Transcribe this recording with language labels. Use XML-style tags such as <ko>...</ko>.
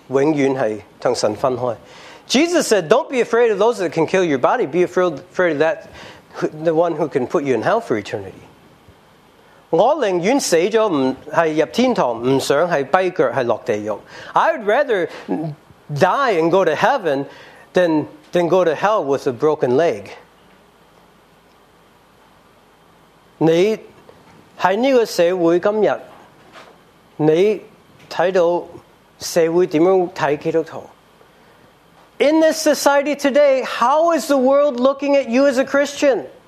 <zh>耶稣说你不要怕那些是杀身，你怕那些是落地狱的，永远是跟神分开。</zh> <en>Jesus said, don't be afraid of those that can kill your body, be afraid of that, the one who can put you in hell for eternity.</en> <zh>我宁愿死了，不是入天堂，不想是跛脚，是落地狱。</zh> <en>I would rather die and go to heaven than go to hell with a broken leg.</en> <zh>你在这个社会今天，你看到社会怎么看基督徒？</zh> <en>In this society today, how is the world looking at you as a Christian?</en>